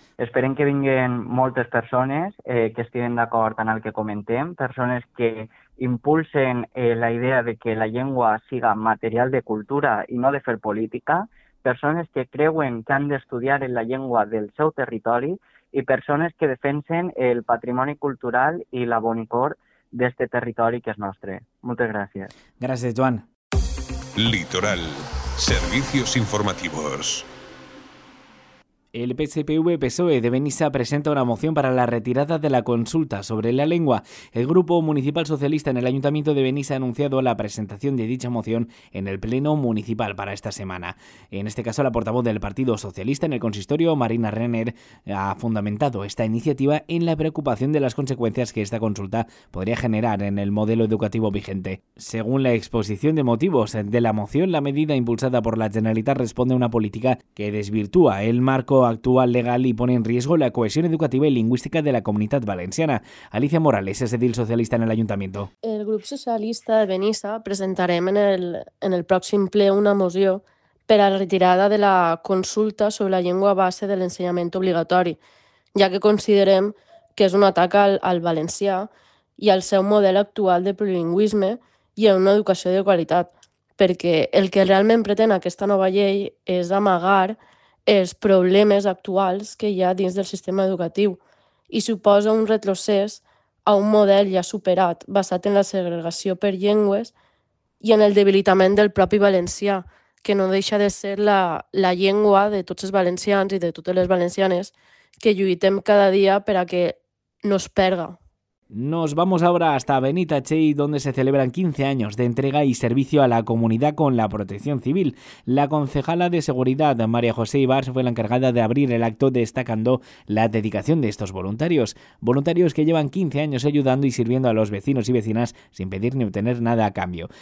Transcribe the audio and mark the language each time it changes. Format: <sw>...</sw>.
<ca>Esperem que vinguin moltes persones que estiguin d'acord amb el que comentem, persones que impulsen la idea de que la llengua siga material de cultura i no de fer política, persones que creuen que han d'estudiar en la llengua del seu territori i persones que defensen el patrimoni cultural i la bonicor d'este territori que és nostre. Moltes gràcies. Gràcies, Joan. Litoral.</ca> <es>Servicios informativos. El PSPV-PSOE de Benissa presenta una moción para la retirada de la consulta sobre la lengua. El Grupo Municipal Socialista en el Ayuntamiento de Benissa ha anunciado la presentación de dicha moción en el Pleno Municipal para esta semana. En este caso, la portavoz del Partido Socialista en el consistorio, Marina Renner, ha fundamentado esta iniciativa en la preocupación de las consecuencias que esta consulta podría generar en el modelo educativo vigente. Según la exposición de motivos de la moción, la medida impulsada por la Generalitat responde a una política que desvirtúa el marco actual legal y pone en riesgo la cohesión educativa y lingüística de la comunidad valenciana. Alicia Morales es edil socialista en el Ayuntamiento.</es> <ca>El Grupo Socialista de Benissa presentarem en el pròxim ple una moció per a la retirada de la consulta sobre la llengua base de l'ensenyament obligatori, ja que considerem que és un atac al valencià i al seu model actual de plurilingüisme i a una educació de qualitat, perquè el que realment pretén aquesta nova llei és amagar els problemes actuals que hi ha dins del sistema educatiu i suposa un retrocés a un model ja superat, basat en la segregació per llengües i en el debilitament del propi valencià, que no deixa de ser la llengua de tots els valencians i de totes les valencianes que lluitem cada dia per a que no es perga.</ca> <es>Nos vamos ahora hasta Benitatxell, donde se celebran 15 años de entrega y servicio a la comunidad con la Protección Civil. La concejala de Seguridad, María José Ibars, fue la encargada de abrir el acto, destacando la dedicación de estos voluntarios. Voluntarios que llevan 15 años ayudando y sirviendo a los vecinos y vecinas sin pedir ni obtener nada a cambio.</es>